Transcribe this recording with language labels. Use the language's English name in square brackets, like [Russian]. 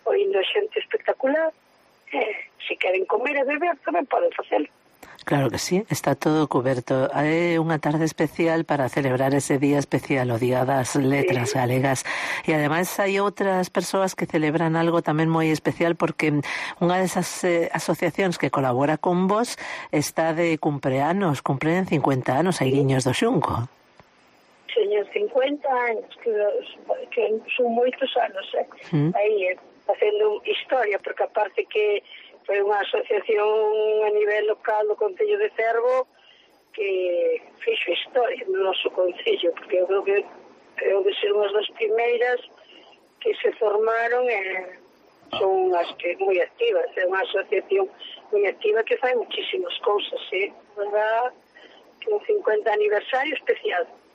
[Galician] Oindo a xente espectacular. Si queren comer e beber, tamén poden facelo. [Spanish] Claro que sí, está todo cubierto. Hay una tarde especial para celebrar ese día especial, o Día das Letras Galegas. Y además hay otras personas que celebran algo también muy especial, porque una de esas asociaciones que colabora con vos está de cumpleaños, cumplen 50 años, hay guiños do Xunco. Señor, 50 años, que son muchos años, ¿eh? ¿Mm? Ahí, haciendo historia, porque aparte que [Galician] foi unha asociación a nivel local do Concello de Cervo que fixo historia no noso concello, porque eu creo que creo que ser unhas das primeiras que se formaron, e son as que moi activas, é unha asociación moi activa que fai muchísimas cousas, verdad, que un 50 aniversario especial.